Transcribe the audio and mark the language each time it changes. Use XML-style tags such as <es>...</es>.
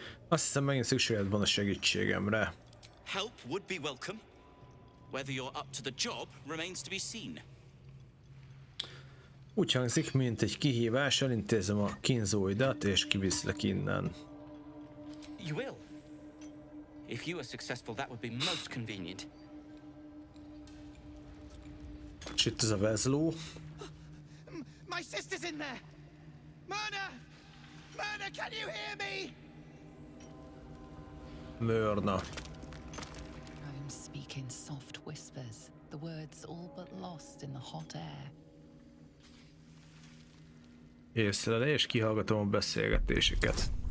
<hu>Azt hiszem, megint szükséged van a segítségemre.</hu> <en>Help would be welcome. Whether you're up to the job remains to be seen.</en> <hu>Úgy hangzik, mint egy kihívás, elintézem a kínzóidat és kiviszlek innen.</hu> <en>You will. If you are successful, that would be most convenient.</en> <hu>És itt ez a vezló.</hu> <en>My sister's in there! Myrna! Myrna, can you hear me? Myrna. I'm speaking soft whispers, the words all but lost in the hot air.</en> <hu>Észlelem és kihallgatom a beszélgetéseket.</hu>